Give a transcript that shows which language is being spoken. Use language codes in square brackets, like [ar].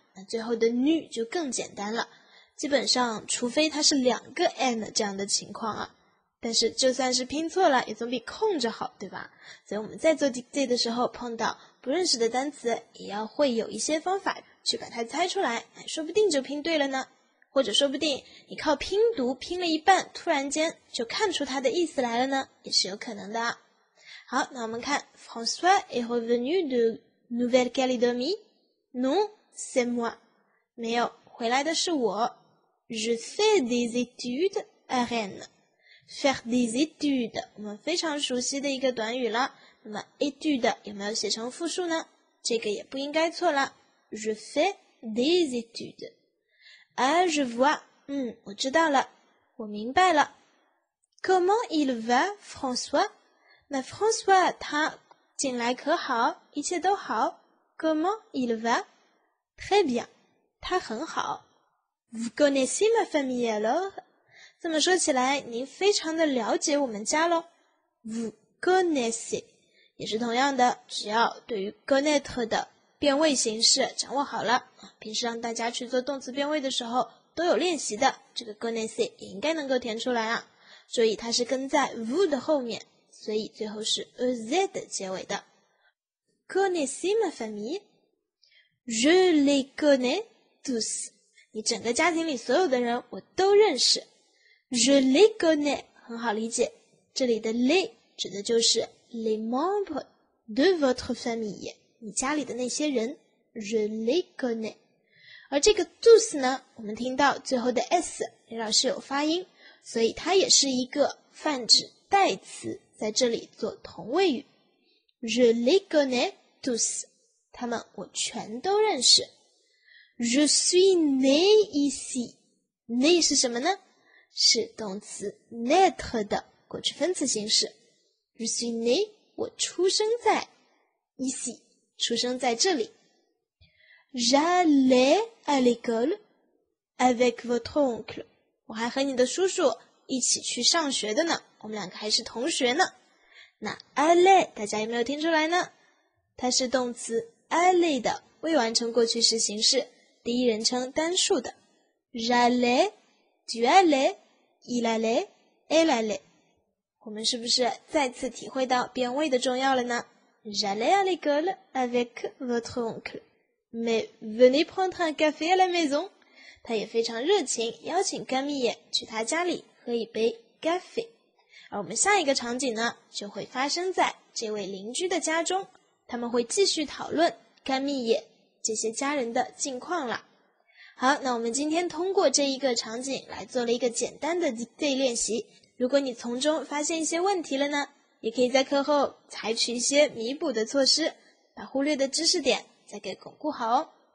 [zh] 那最后的 nu 就更简单了，基本上除非它是两个 n 这样的情况啊，但是就算是拼错了也总比空着好，对吧？所以我们在做 dictée 的时候碰到不认识的单词，也要会有一些方法去把它猜出来，说不定就拼对了呢。或者说不定你靠拼读拼了一半，突然间就看出它的意思来了呢，也是有可能的啊。好，那我们看 [fr] François est revenu de Nouvelle-Calédonie? Non? C'est moi. [zh] 没有，回来的是我。 [fr] Je fais des études à Rennes. Faire des études， [zh] 我们非常熟悉的一个短语了。那么 étude 有没有写成复数呢？这个也不应该错了。 [fr] Je fais des études. Ah, je vois. [zh] 我知道了，我明白了。 [fr] Comment il va, François? [zh] 那 François 他近来可好？一切都好。 [fr] Comment il va? Très bien， [zh] 他很好。 [fr] Vous connaissez ma famille alors？ [zh] 这么说起来，您非常的了解我们家咯。 [fr] Vous connaissez， [zh] 也是同样的，只要对于 connaître 的变位形式掌握好了，平时让大家去做动词变位的时候都有练习的，这个 connaissez 也应该能够填出来啊。所以它是跟在 vous 的后面，所以最后是 z 的结尾的。 [fr] Connaissez ma famille？ Je les connais tous. [zh] 你整个家庭里所有的人我都认识。 [fr] Je les connais， [zh] 很好理解。这里的 les 指的就是 [fr] les membres de votre famille， [zh] 你家里的那些人。 [fr] Je les connais. [zh] 而这个 tous 呢，我们听到最后的 s， 李老师有发音，所以它也是一个泛指代词，在这里做同位语。 [fr] Je les connais tous， [zh] 他们我全都认识。 [fr] Je suis né ici， né [zh] 是什么呢？是动词 naître 的过去分词形式。 [fr] Je suis né， [zh] 我出生在 ici， 出生在这里。 [fr] J'allais à l'école avec votre oncle， [zh] 我还和你的叔叔一起去上学的呢，我们两个还是同学呢。那 aller 大家有没有听出来呢？它是动词 aller 的未完成过去式形式，第一人称单数的。 [fr] J'allais, tu allais, il allait, elle allait， [zh] 我们是不是再次体会到变位的重要了呢？ [fr] J'allais à l'école avec votre oncle mais venez prendre un café à la maison， [zh] 他也非常热情邀请甘蜜也去他家里喝一杯咖啡。而我们下一个场景呢，就会发生在这位邻居的家中，他们会继续讨论甘蜜也这些家人的近况了。好，那我们今天通过这一个场景来做了一个简单的对练习，如果你从中发现一些问题了呢，也可以在课后采取一些弥补的措施，把忽略的知识点再给巩固好哦。